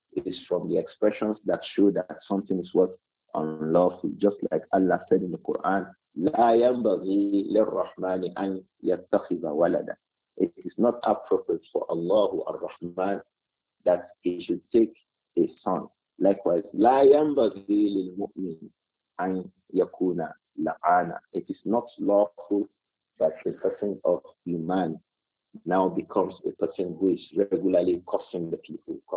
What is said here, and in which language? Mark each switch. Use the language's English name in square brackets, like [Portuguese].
[English] is from the expressions that show that something is what unlawful, just like Allah said in the Quran, [Arabic] لَا يَنْبَغِي لِلرَّحْمَنِ أَنْ يَتَّخِذَ وَلَدًا. [English] It is not appropriate for Allah al-Rahman that he should take a son. Likewise, [Arabic] لَا يَنْبَغِي لِلْمُؤْمِنِ أَنْ يَكُونَ لَعَانًا. [English] It is not lawful that a person of iman now becomes a person who is regularly cursing the people.